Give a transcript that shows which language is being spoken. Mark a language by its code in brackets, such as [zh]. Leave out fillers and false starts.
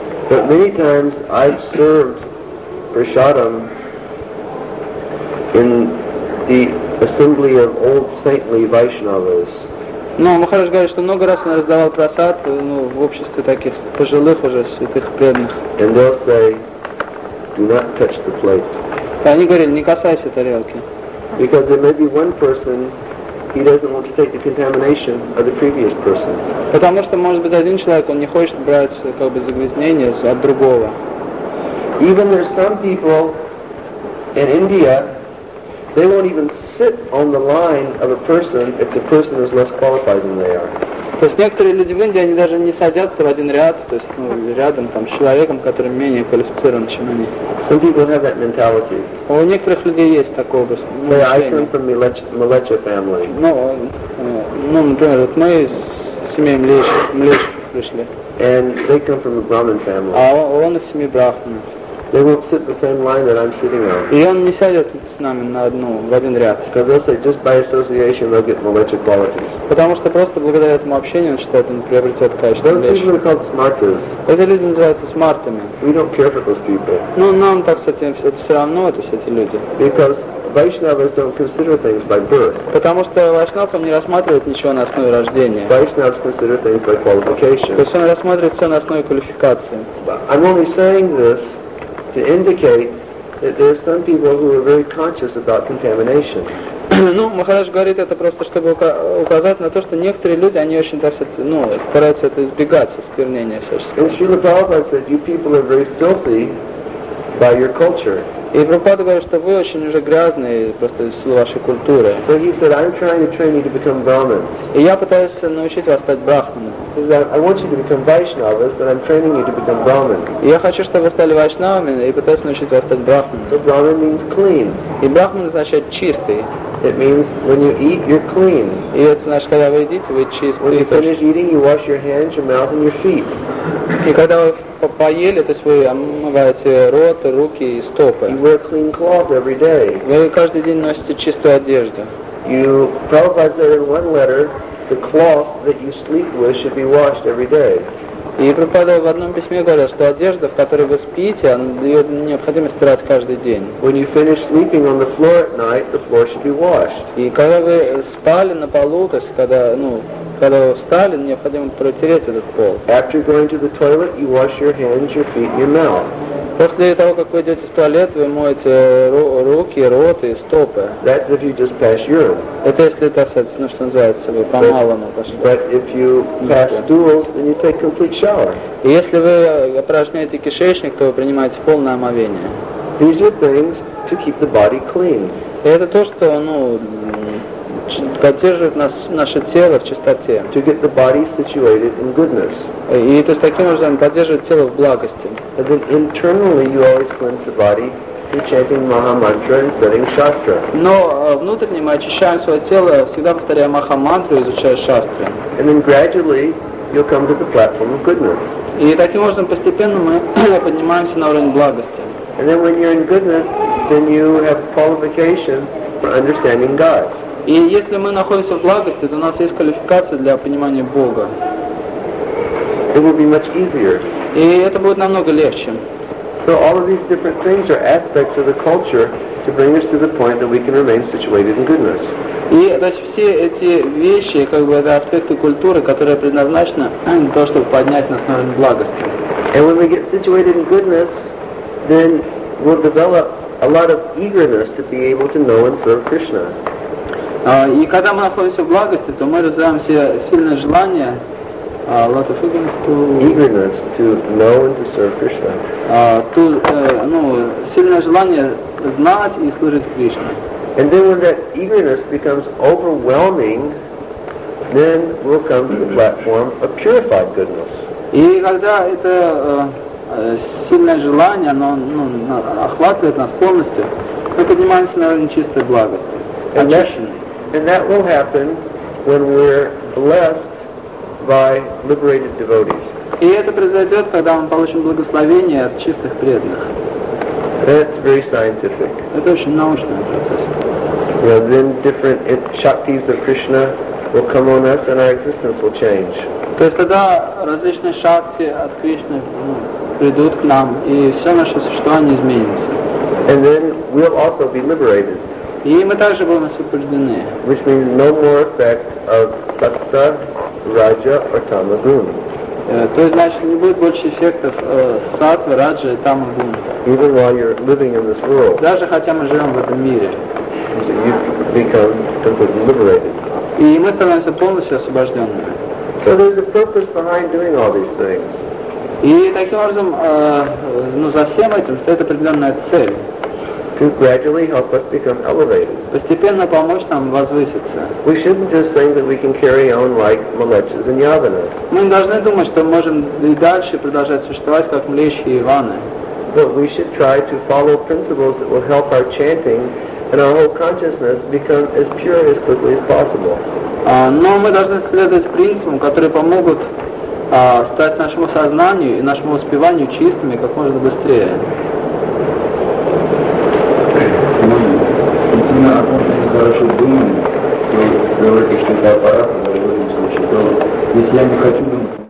[en] But many times I've served prasadam in the assembly of old saintly Vaishnavas. [ru] Но Махарадж говорит, что много раз он раздавал просад, ну, в обществе таких пожилых уже святых преданных. [en] And they'll say, do not touch the plate. [ru] Они говорили, не касайся тарелки. [en] Because there may be one person, he doesn't want to take the contamination of the previous person. [ru] Потому что, может быть, один человек, он не хочет брать, как бы, загрязнение от другого. [en] Even there's some people in India, they won't even sit on the line of a person if the person is less qualified than they are. [ru] То есть некоторые люди в Индии, они даже не садятся в один ряд, то есть, ну, рядом там, с человеком, который менее квалифицирован, чем они. [en] Some people have that mentality. [ru] У некоторых людей есть такой образ. [en] Say, I come from the Malecha family. [ru] Ну, например, вот мы из семьи Млечи пришли. [en] And they come from a Brahmin family. [ru] А он из семьи Брахманов. [en] They won't sit the same line that I'm sitting on. [ru] И он не сядет с нами на одну, в один ряд. [en] Because they'll say, just by association, they'll get malicious qualities. [ru] Потому что просто благодаря этому общению он считает, он приобретет качество [en] Those [ru] млечи. [en] People are called smarters. [ru] Эти люди называются смартами. [en] We don't care for those people. [ru] Ну, нам так, кстати, это все равно, это все эти люди. [en] Because Vaishnavas don't consider things by birth. [ru] Потому что Вайшнавам не рассматривает ничего на основе рождения. [en] Vaishnavas consider things by qualification. [ru] То есть он рассматривает все на основе квалификации. [en] I'm only saying this to indicate that there are some people who are very conscious about contamination. [ru] Ну, Махарадж говорит это просто, чтобы указать на то, что некоторые люди, они очень, так сказать, ну, стараются это избегать, осквернения всяческого. [en] And Srila Prabhupada said, you people are very filthy by your culture. [ru] И Прабхупада говорит, что вы очень уже грязные просто из вашей культуры. [en] So he said, I'm trying to train you to become Brahmins. [ru] И я пытаюсь научить вас стать брахманом. [en] He said, I want you to become Vaishnavas, but I'm training you to become Brahmin. [ru] Я хочу, чтобы вы стали Вайшнавами, и пытаюсь научить вас стать брахманом. [en] So Brahmin means clean. [ru] И брахман означает чистый. [en] It means when you eat, you're clean. [ru] И это значит, когда вы едите, вы чистый. [en] When you finish eating, you wash your hands, your mouth, and your feet. [ru] И когда вы поели, то есть вы омываете рот, руки и стопы. [en] You wear clean cloth every day. [ru] Вы каждый день носите чистую одежду. [en] You probably said in one letter, the cloth that you sleep with should be washed every day. [ru] И Прабхупада в одном письме говорит, что одежда, в которой вы спите, ее необходимо стирать каждый день. [en] When you finish sleeping on the floor at night, the floor should be washed. [ru] И когда вы спали на полу, то есть когда, ну, когда вы встали, необходимо протереть этот пол. [en] After going to the toilet, you wash your hands, your feet, your mouth. [ru] После того, как вы идете в туалет, вы моете руки, рот и стопы. [en] That's if you just pass urine. [ru] Это если, так сказать, ну, что называется, вы по-малому пошли. [en] But if you pass stools, then you take complete shower. [ru] И если вы опорожняете кишечник, то вы принимаете полное омовение. [en] These are things to keep the body clean. [ru] И это то, что, ну, поддерживает нас, наше тело в чистоте. [en] To get the body situated in goodness. [ru] И то есть таким образом поддерживает тело в благости. [en] And then internally you always cleanse the body by chanting Mahamantra and studying Shastra. [ru] Но внутренне мы очищаем свое тело, всегда повторяя Махамантру, изучая Шастры. [en] And then gradually you'll come to the platform of goodness. [ru] И таким образом постепенно мы поднимаемся на уровень благости. [en] And then when you're in goodness, then you have qualification for understanding God. [ru] И если мы находимся в благости, то у нас есть квалификация для понимания Бога. [en] It will be much easier. [ru] И это будет намного легче. [en] So all of these different things are aspects of the culture to bring us to the point that we can remain situated in goodness. [ru] И то есть все эти вещи, как бы, это аспекты культуры, которые предназначены для того, чтобы поднять нас на уровень благости. [en] And when we get situated in goodness, then we'll develop a lot of eagerness to be able to know and serve Krishna. [ru] И когда мы находимся в благости, то мы развиваем все сильное желание, [en] lot of eagerness to know and to serve Krishna. [ru] Сильное желание знать и служить Кришне. [en] And then when that eagerness becomes overwhelming, then we'll come to the platform of purified goodness. [ru] И когда это сильное желание, оно охватывает нас полностью, мы поднимаемся на уровень чистой благости, очищенной. [en] And that will happen when we're blessed by liberated devotees. [ru] И это произойдет, когда мы получим благословение от чистых преданных. [en] That's very scientific. [ru] Это очень научный процесс. [en] Well, then different shaktis of Krishna will come on us, and our existence will change. [ru] То есть тогда различные шакти от Кришны придут к нам, и все наше существование изменится. [en] And then we'll also be liberated. [ru] И мы также будем освобождены. [en] Which means no more effect of sattva, raja, or tamagun. [ru] То есть, значит, не будет больше эффектов сатвы, раджа и тамагун. [en] Even while you're living in this world. [ru] Даже хотя мы живем в этом мире. [en] So you become completely liberated. [ru] И мы становимся полностью освобожденными. [en] So there's a purpose behind doing all these things. [ru] И таким образом, за всем этим стоит определенная цель. [en] To gradually help us become elevated. [ru] Постепенно помочь нам возвыситься. [en] We shouldn't just think that we can carry on like Malechas and Yavanas. [ru] Мы не должны думать, что мы можем и дальше продолжать существовать как Млечи и Иваны. [en] But we should try to follow principles that will help our chanting and our whole consciousness become as pure as quickly as possible. [ru] Но мы должны следовать принципам, которые помогут стать нашему сознанию и нашему успеванию чистыми как можно быстрее. Хорошо думаем, то говорите, что это аппарат, мы говорим, что если я не хочу думать.